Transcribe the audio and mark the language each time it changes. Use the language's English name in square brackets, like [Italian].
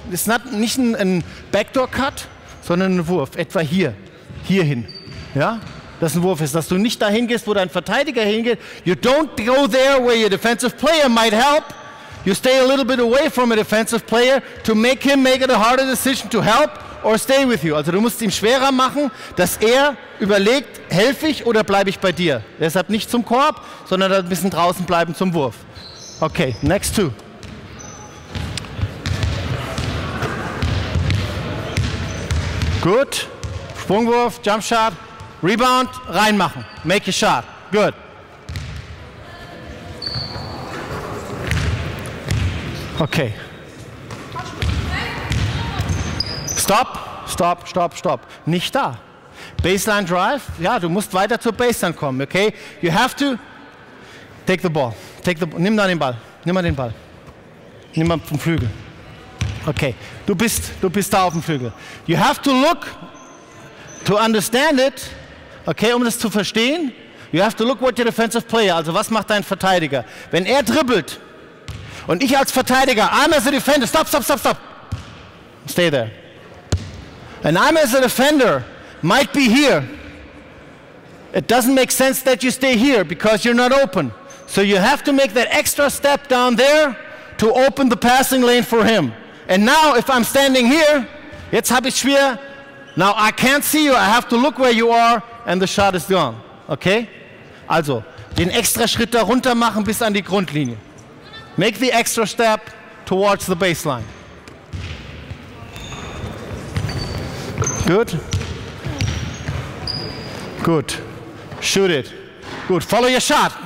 [German] Das ist nicht ein Backdoor Cut, sondern ein Wurf. Etwa hier. Hier hin. Ja? Dass ein Wurf ist. Dass du nicht dahin gehst, wo dein Verteidiger hingeht. [English] You don't go there where your defensive player might help. You stay a little bit away from a defensive player to make him make it a harder decision to help or stay with you. [German] Also du musst ihm schwerer machen, dass er überlegt, helfe ich oder bleibe ich bei dir. Deshalb nicht zum Korb, sondern ein bisschen draußen bleiben zum Wurf. [English] Okay, next two. Good. Sprungwurf, jump shot, rebound, reinmachen. Make a shot. Good. Okay. Stop, stop, stop, stop. [German] Nicht da. [English] Baseline Drive. [German] Ja, du musst weiter zur Baseline kommen, okay? [English] You have to take the ball. [German] Nimm da den Ball. Nimm mal den Ball. Nimm mal vom Flügel. Okay. Du bist da auf dem Flügel. [English] You have to look to understand it. [German] Okay, um das zu verstehen. [English] You have to look what your defensive player, [German] also was macht dein Verteidiger? Wenn er dribbelt, und ich als Verteidiger, [English] I'm as a defender, stop, stop, stop, stop. Stay there. And I'm as a defender, might be here. It doesn't make sense that you stay here, because you're not open. So you have to make that extra step down there to open the passing lane for him. And now, if I'm standing here, [German] jetzt habe ich schwer, [English] now I can't see you, I have to look where you are, and the shot is gone. Okay? [German] Also, den extra Schritt da runter machen bis an die Grundlinie. [English] Make the extra step towards the baseline. Good. Good. Shoot it. Good. Follow your shot.